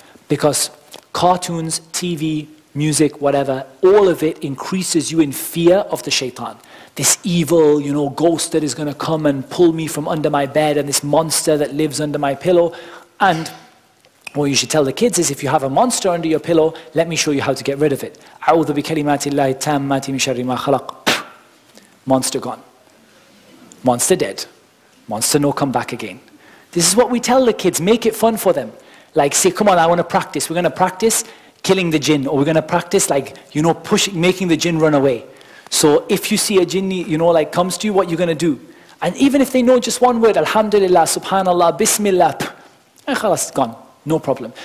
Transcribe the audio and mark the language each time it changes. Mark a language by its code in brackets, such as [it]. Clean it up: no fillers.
[en] Because cartoons, TV, music, whatever, all of it increases you in fear of the shaitan. This evil, you know, ghost that is going to come and pull me from under my bed and this monster that lives under my pillow. And what you should tell the kids is if you have a monster under your pillow, let me show you how to get rid of it. [ar] أعوذ بكلمات الله التامات من شر ما خلق. [en] Monster gone. Monster dead. Monster no come back again. This is what we tell the kids. Make it fun for them. Like say, come on, I want to practice. We're going to practice killing the jinn. Or we're going to practice like, you know, pushing, making the jinn run away. So if you see a jinn, you know, like comes to you, what you're going to do? And even if they know just one word, Alhamdulillah, Subhanallah, Bismillah, khalas, gone. No problem.